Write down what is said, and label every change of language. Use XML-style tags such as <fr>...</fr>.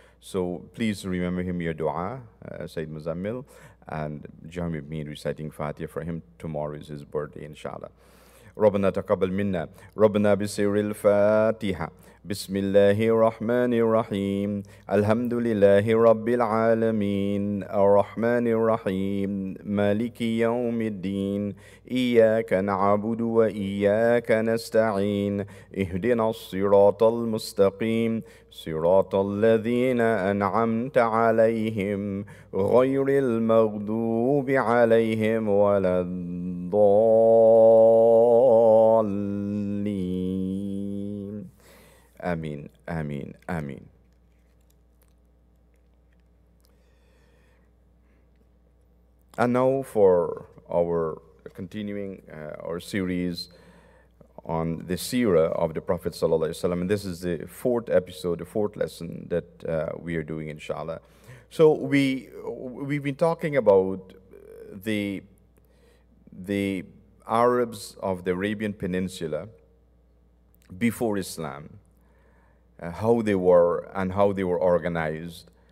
<en>So please remember him in your dua, Sayyid Muzammil, and join with me in reciting Fatiha for him. Tomorrow is his birthday, inshallah.</en> <ar>ربنا تقبل منا ربنا بسر الفاتحة بسم الله الرحمن الرحيم الحمد لله رب العالمين الرحمن الرحيم مالك يوم الدين إياك نعبد وإياك نستعين اهدنا الصراط المستقيم صراط الذين أنعمت عليهم غير المغضوب عليهم ولا الضالين آمين آمين آمين.</ar> <en>And now for our continuing our series on the seerah of the Prophet sallallahu alaihi wasallam. This is the fourth episode, the fourth lesson that we are doing, inshallah. So we've been talking about the Arabs of the Arabian Peninsula before Islam, how they were and how they were organized.</en>